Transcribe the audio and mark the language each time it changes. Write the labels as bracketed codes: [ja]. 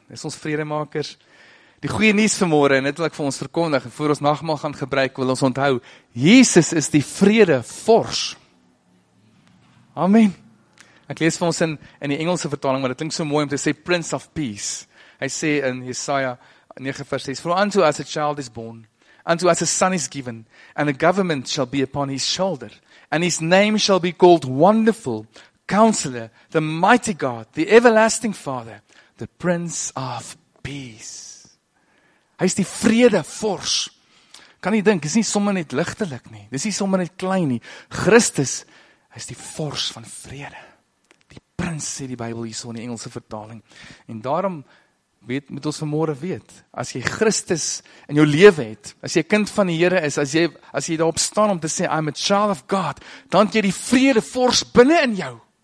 [af] Is ons vredemakers? Die goeie nuus vanmôre en dit wil ek vir ons verkondig en voor ons nagmaal gaan gebruik, wil ons onthou, Jesus is die vredevors. Amen. Ek lees vir ons in die Engelse vertaling, maar dit klink so mooi om te sê Prince of Peace. [en] Hy sê in Jesaja 9 vers 6, for unto us a child is born, unto us a son is given, and the government shall be upon his shoulder, and his name shall be called Wonderful, Counselor, the Mighty God, the Everlasting Father, the Prince of Peace. [af] Hy is die vredevors. Kan jy dink, dis nie sommer net ligtelik nie. Dis nie sommer net klein nie. Christus, hy is die vors van vrede. Die prins sê die Bybel hierso in die Engelse vertaling. En daarom weet moet ons vanmôre weet, as jy Christus in jou lewe het, as jy 'n kind van die Here is, as jy daarop staan om te sê I'm a child of God, dan het jy die vredevors binne in jou.